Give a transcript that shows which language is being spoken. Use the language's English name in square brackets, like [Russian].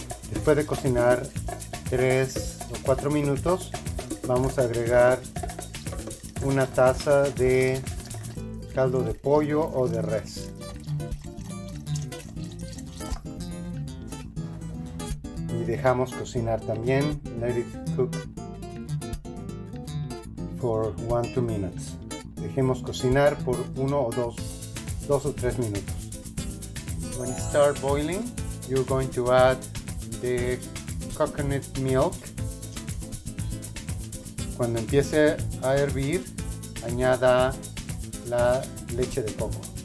[Spanish] Después de cocinar 3 o 4 minutos, vamos a agregar una taza de caldo de pollo o de res. Dejamos cocinar también, [English] let it cook for 1-2 minutes. [Spanish] Dejemos cocinar por 1 o 2 o 3 minutos. [English] when it starts boiling, you're going to add the coconut milk. [Spanish] Cuando empiece a hervir, añada la leche de coco.